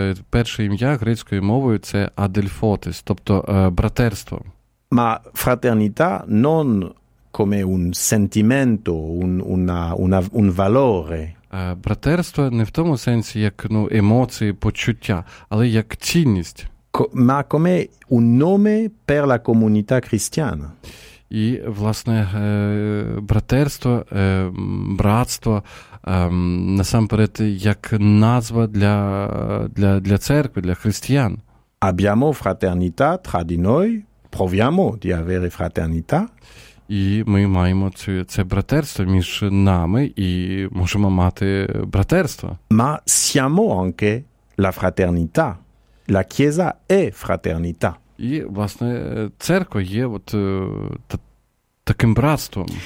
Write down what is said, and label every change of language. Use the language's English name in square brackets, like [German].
[Ukrainian] Перше ім'я грецькою мовою – це Adelphotes, тобто братерство. [Italian] Ma fraternità non come un sentimento, un valore. [Ukrainian] Братерство не в тому сенсі, як, ну, емоції, почуття, але як цінність. [Italian] Ma come un nome per la comunità cristiana. [Ukrainian] і, власне, братерство, братство, насамперед, як назва для церкви, для християн. [Italian] Abbiamo fraternità tra di noi, proviamo di avere fraternità. [Ukrainian] І ми маємо це братерство між нами і можемо мати братерство. [Italian] Ma siamo anche la fraternità. La Chiesa è fraternità. [Ukrainian] І, власне, церква є от таким братством.